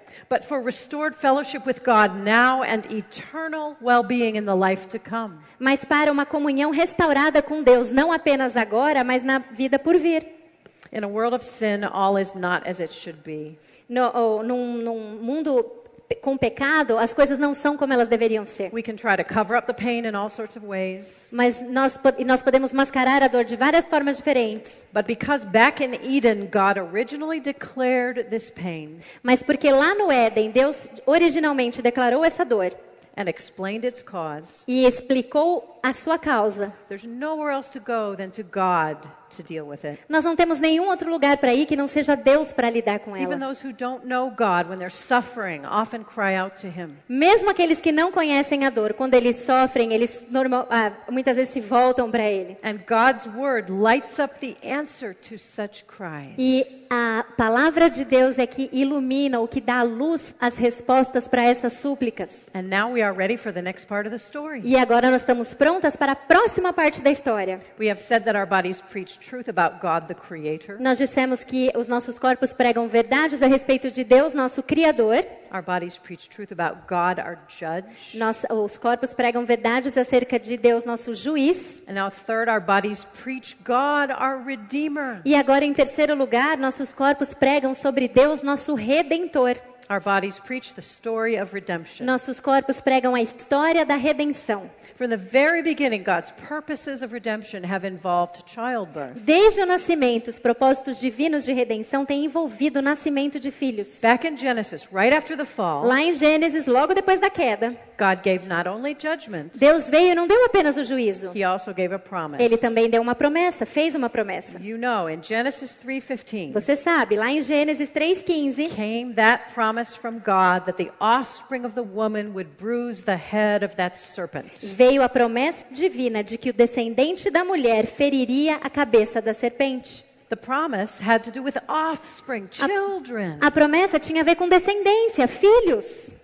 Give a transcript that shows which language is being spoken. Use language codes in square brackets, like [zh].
[en] But for restored fellowship with God now and eternal well-being in the life to come. [pt] Mas para uma comunhão restaurada com Deus, não apenas agora, mas na vida por vir. [en] In a world of sin, all is not as it should be. [pt] Num mundo com pecado, as coisas não são como elas deveriam ser. [en] We can try to cover up the pain in all sorts of ways. [pt] Mas nós podemos mascarar a dor de várias formas diferentes. [en] But because back in Eden, God originally declared this pain. [pt] Mas porque lá no Éden, Deus originalmente declarou essa dor. [en] And explained its cause. [pt] E explicou a sua causa. [en] There's nowhere else to go than to God to deal with it. [pt] Nós não temos nenhum outro lugar para ir que não seja Deus para lidar com ela. [en] Even those who don't know God, when they're suffering, often cry out to him. [pt] Mesmo aqueles que não conhecem a dor, quando eles sofrem, eles muitas vezes se voltam para ele. [en] And God's word lights up the answer to such cries. [pt] E a palavra de Deus é que ilumina, o que dá luz às respostas para essas súplicas. [en] And now we are ready for the next part of the story. [pt] E agora nós estamos prontas para a próxima parte da história. [en] We have said that our bodies preach truth about God, the Creator. [pt] Nós dissemos que os nossos corpos pregam verdades a respeito de Deus, nosso Criador. [en] Our bodies preach truth about God, our judge. [pt] Os corpos pregam verdades acerca de Deus, nosso juiz. [en] And now third, our bodies preach God, our Redeemer. [pt] E agora, em terceiro lugar, nossos corpos pregam sobre Deus, nosso Redentor. [en] Our bodies preach the story of redemption. [pt] Nossos corpos pregam a história da redenção. [en] From the very beginning, God's purposes of redemption have involved childbirth. [pt] Desde o nascimento, os propósitos divinos de redenção têm envolvido o nascimento de filhos. [en] Back in Genesis, right after the fall. [pt] Lá em Gênesis, logo depois da queda. [en] God gave not only judgment. [pt] Deus veio e não deu apenas o juízo. [en] He also gave a promise. [pt] Ele também deu uma promessa, fez uma promessa. [en] You know, in Genesis 3:15. [pt] Você sabe, lá em Gênesis 3:15. [en] Came that promise from God that the offspring of the woman would bruise the head of that serpent. [pt] Veio a promessa divina de que o descendente da mulher feriria a cabeça da serpente. [en] The promise had to do with offspring, children. [pt] A promessa tinha a ver com descendência, filhos.